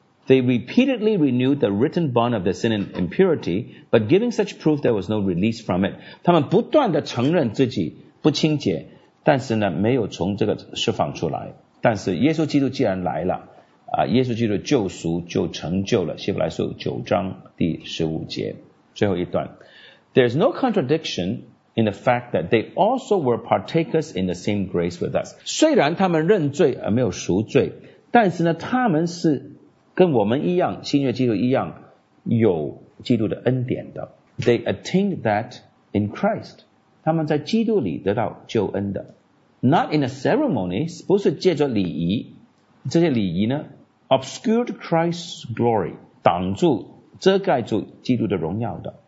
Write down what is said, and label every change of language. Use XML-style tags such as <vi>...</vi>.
<en>They repeatedly renewed the written bond of their sin and impurity, but giving such proof there was no release from it.</en> <zh>他们不断地承认自己不清洁，但是呢，没有从这个释放出来。但是耶稣基督既然来了啊，耶稣基督救赎就成就了，希伯来书九章第十五节最后一段。</zh> <en>There's no contradiction in the fact that they also were partakers in the same grace with us.</en> <zh>虽然他们认罪而没有赎罪，但是呢，他们是跟我们一样，新约基督一样有基督的恩典的。</zh> <en>They attained that in Christ.</en> <zh>他们在基督里得到救恩的。</zh> <en>Not in a ceremony,</en> <zh>不是借着礼仪，这些礼仪呢</zh> <en>obscured Christ's glory,</en> <zh>挡住遮盖住基督的荣耀的。</zh>